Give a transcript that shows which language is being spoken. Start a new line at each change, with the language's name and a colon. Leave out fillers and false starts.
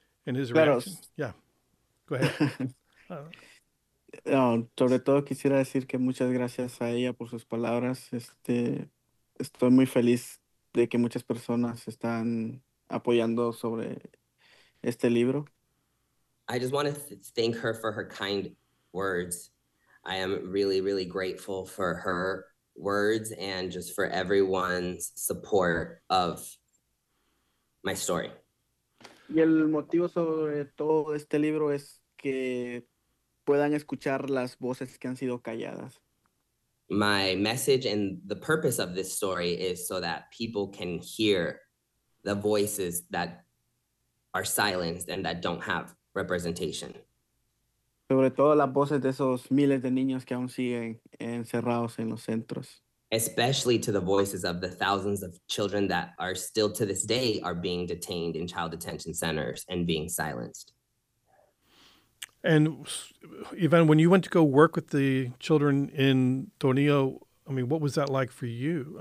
English: And his reaction, go ahead.
Spanish: Sobre todo quisiera decir que muchas gracias a ella por sus palabras. Estoy muy feliz de que muchas personas están apoyando sobre este libro.
English: I just want to thank her for her kind words. I am really, really grateful for her words and just for everyone's support of my story.
Spanish: Y el motivo sobre todo de este libro es que puedan escuchar las voces que han sido calladas.
English: My message and the purpose of this story is so that people can hear the voices that are silenced and that don't have representation.
Spanish: Sobre todo las voces de esos miles de niños que aún siguen encerrados en los centros.
English: Especially to the voices of the thousands of children that are still to this day are being detained in child detention centers and being silenced. And Ivan, when you went to go work with the children in Tornillo, I mean, what was that like for you?